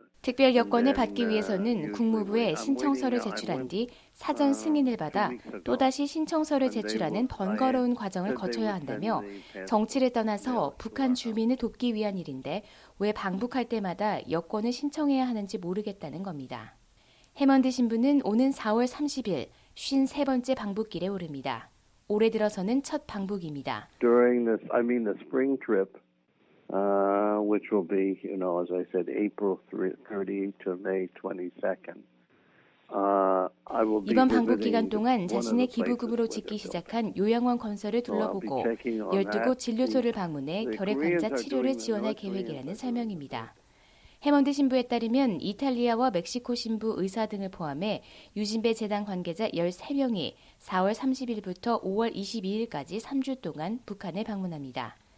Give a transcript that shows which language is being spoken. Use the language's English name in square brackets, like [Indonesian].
[Korean] 특별 여권을 받기 위해서는 국무부에 신청서를 제출한 뒤 사전 승인을 받아 또다시 신청서를 제출하는 번거로운 과정을 거쳐야 한다며 정치를 떠나서 북한 주민을 돕기 위한 일인데 왜 방북할 때마다 여권을 신청해야 하는지 모르겠다는 겁니다. 해먼드 신부는 오는 4월 30일 53번째 방북길에 오릅니다. 올해 들어서는 첫 방북입니다. [English] During this, I mean the spring trip. Which will be, you know, as I said, April 30 to May 22nd. I will be [Korean] 이번 방북 기간 동안 자신의 기부금으로 짓기 시작한 요양원 건설을 둘러보고 12곳 진료소를 방문해 결핵 환자 치료를 지원할 계획이라는 설명입니다. 해먼드 신부에 따르면 이탈리아와 멕시코 신부 의사 등을 포함해 유진배 재단 관계자 13명이 4월 30일부터 5월 22일까지 3주 동안 북한에 방문합니다.